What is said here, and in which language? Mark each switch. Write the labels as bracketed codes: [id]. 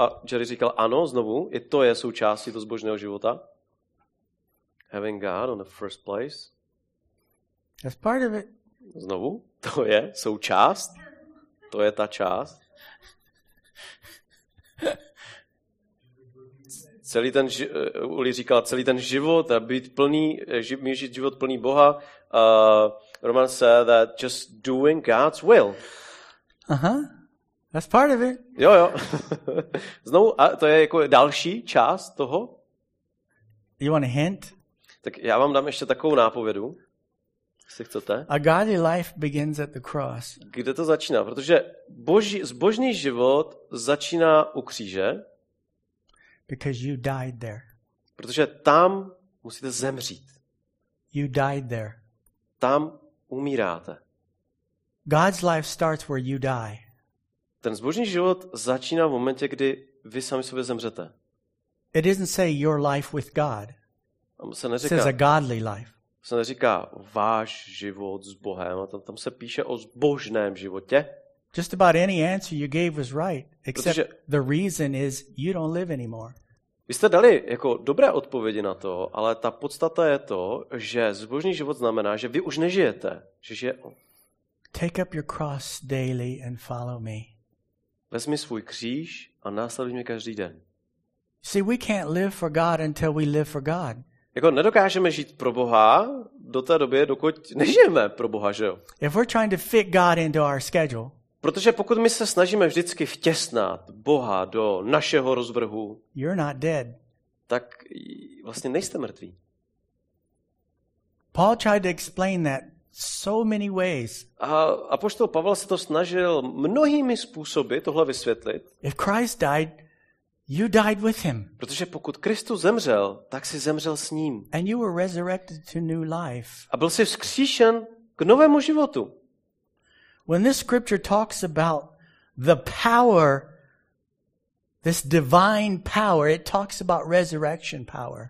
[cs] A Jerry říkal, ano, znovu, i to je součástí toho zbožného života. [en] Having God on the first place. That's part of it. [cs] Znovu, to je součást, to je ta část. Celý ten, Uli říkal, celý ten život a být plný, žít život plný Boha. [en] Roman said that just doing God's will. Aha. That's part of it. [cs] Jo, jo. Znovu, a to je jako další část toho. [en] You want a hint? [cs] Tak já vám dám ještě takovou nápovědu. Jestli chcete. [en] A godly life begins at the cross. [cs] Kde to začíná? Protože boží, zbožný život začíná u kříže. [en] Because you died there. [cs] Protože tam musíte zemřít. [en] You died there. [cs] Tam umíráte. [en] God's life starts where you die. [cs] Ten zbožný život začíná v momentě, kdy vy sami sobě zemřete. [en] It doesn't say your life with God. [cs] Se neříká, [en] it says a godly life. [cs] Se neříká váš život s Bohem, a tam se píše o zbožném životě. [en] Just about any answer you gave was right, except the reason is you don't live anymore. [cs] Vy jste dali jako dobré odpovědi na to, ale ta podstata je to, že zbožný život znamená, že vy už nežijete, že žije on. [en] Take up your cross daily and follow me. [cs] Vezmi svůj kříž a následuj mě každý den. [en] See, we can't live for God until we live for God. [cs] Jako nedokážeme žít pro Boha do té doby, dokud nežijeme pro Boha, že jo? [en] If we're trying to fit God into our schedule. [cs] Protože pokud my se snažíme vždycky vtěsnat Boha do našeho rozvrhu, [en] you're not dead. [cs] Tak vlastně nejste mrtví. [en] Paul tried to explain that so many ways. [cs] A apoštol Pavel se to snažil mnohými způsoby tohle vysvětlit. [en] If Christ died, you died with him. [cs] Protože pokud Kristus zemřel, tak si zemřel s ním. [en] And you were resurrected to new life. [cs] A byl si vzkříšen k novému životu. [en] When this scripture talks about the power, this divine power, it talks about resurrection power.